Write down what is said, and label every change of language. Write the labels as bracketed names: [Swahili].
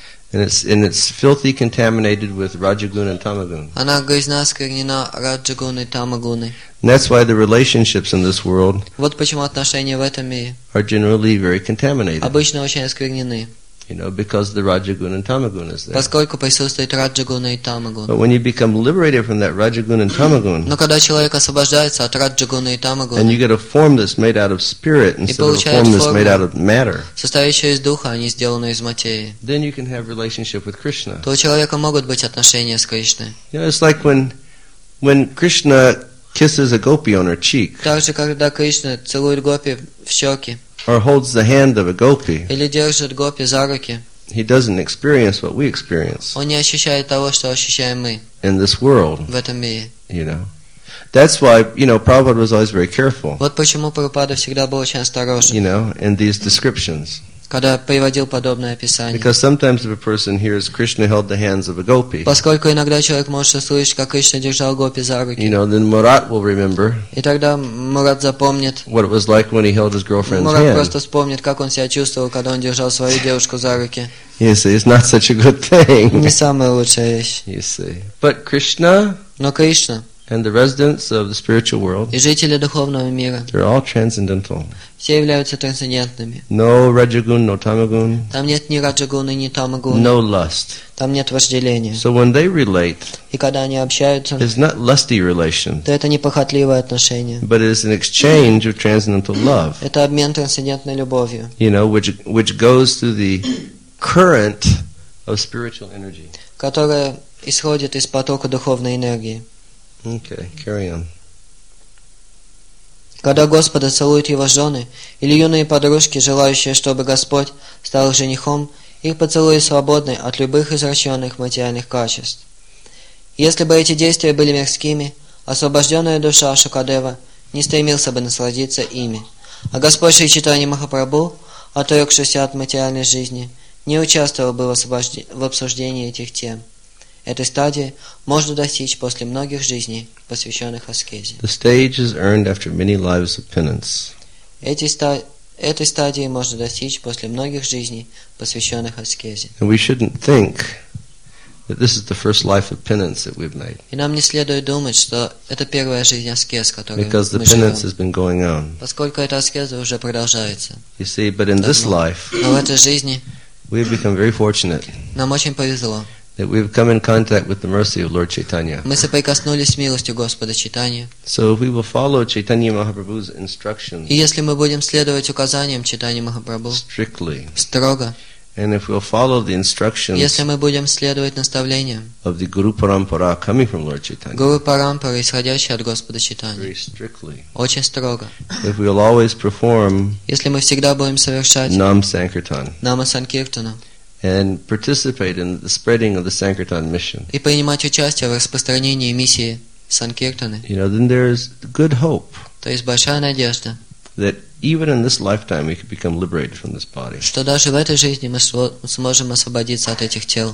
[English] And it's filthy contaminated with Rajagun and Tamagun. [Russian] Она грязна, осквернена Раджагуной и Тамагуной. [English] And that's why the relationships in this world, [Russian] вот почему отношения в этом мире, [English] are generally very contaminated. [Russian] Обычно очень осквернены. [English] You know, because the Rajagun and Tamagun is there. [Russian] Поскольку присутствует Раджагуна и Тамагуна. [English] But when you become liberated from that Rajagun and Tamagun, [Russian] но когда человек освобождается от Раджагуны и Тамагуна, [English] and you get a form that's made out of spirit instead of a form that's made out of matter, [Russian] состоящая из духа, а не сделанная из материи, [English] then you can have relationship with Krishna. [Russian] То у человека могут быть отношения с Кришной. [English] You know, it's like when Krishna kisses a gopi on her cheek. [Russian] Так же, когда Кришна целует гопи в щеки. [English] Or holds the hand of a gopi. [Russian] Или держит гопи за руки. [English] He doesn't experience what we experience. [Russian] Он не ощущает того, что ощущаем мы. [English] In this world. [Russian] В этом мире. [English] You know. That's why, you know, Prabhupada was always very careful. [Russian] Вот почему Прабхупада всегда был очень осторожен. [English] You know, in these descriptions. [Russian] Когда приводил подобное описание. [English] Because sometimes if a person hears Krishna held the hands of a gopi. [Russian] Поскольку иногда человек может услышать, как Кришна держал гопи за руки. [English] You know, then Murat will remember. [Russian] И тогда Мурат запомнит. [English] What it was like when he held his girlfriend's [Russian] Мурат [English] hand. [Russian] Мурат просто вспомнит, как он себя чувствовал, когда он держал свою девушку за руки. [English] You see, it's not such a good thing. [Russian] Не самая лучшая вещь. [English] You see. But Krishna. [Russian] Но Кришна. [English] And the residents of the spiritual world, [Russian] и жители духовного мира, [English] they're all transcendental. [Russian] Все являются трансцендентными. [English] No Rajagun, no Tamagun. [Russian] Там нет ни Раджагуны, ни Тамагуны. [English] No lust. [Russian] Там нет вожделения. [English] So when they relate, [Russian] и когда они общаются, [English] it's not lusty relation, [Russian] то это не похотливое отношение. [English] But it is an exchange of transcendental love. [Russian] Это обмен трансцендентной любовью. [English] You know, which goes through the current of spiritual energy. [Russian] Которая исходит из потока духовной энергии. [English] Okay, carry on. [Russian] Когда Господа целуют его жены или юные подружки, желающие, чтобы Господь стал их женихом, их поцелуи свободны от любых извращенных материальных качеств. Если бы эти действия были мирскими, освобожденная душа Шукадева не стремился бы насладиться ими. А Господь Шри Чайтанья Махапрабху, отрекшийся от материальной жизни, не участвовал бы в обсуждении этих тем. Этой стадии можно достичь после многих жизней, посвященных аскезе. [English] The stage is earned after many lives of penance. [Russian] Этой стадии можно достичь после многих жизней, посвященных аскезе. [English] And we shouldn't think that this is the first life of penance that we've made. [Russian] И нам не следует думать, что это первая жизнь аскез, которую мы живем. [English] Because the penance has been going on. [Russian] Поскольку эта аскеза уже продолжается. [English] You see, but in this life, [Russian] но в этой жизни, [English] we've become very fortunate. [Russian] Нам очень повезло. [English] That we've come in contact with the mercy of Lord Chaitanya. [Russian] Мы соприкоснулись с милостью Господа Чайтаньи. [English] So if we will follow Chaitanya Mahaprabhu's instructions. [Russian] И если мы будем следовать указаниям Чайтаньи Махапрабху. [English] Strictly. [Russian] Строго. [English] And if we'll follow the instructions. [Russian] Если мы будем следовать наставлениям. [English] Of the Guru Parampara coming from Lord Chaitanya. [Russian] Guru Parampara, исходящая от Господа Чайтаньи. [English] Very strictly. [Russian] Очень строго. [English] If we'll always perform. [Russian] Если мы всегда будем совершать. [English] Нам Санкиртан. [Russian] Нама Санкиртана. [English] And participate in the spreading of the Sankirtan mission. [Russian] И принимать участие в распространении миссии Санкиртаны. [English] You know, then there is good hope. [Russian] То есть большая надежда. [English] That even in this lifetime we could become liberated from this body. [Russian] Что даже в этой жизни мы сможем освободиться от этих тел.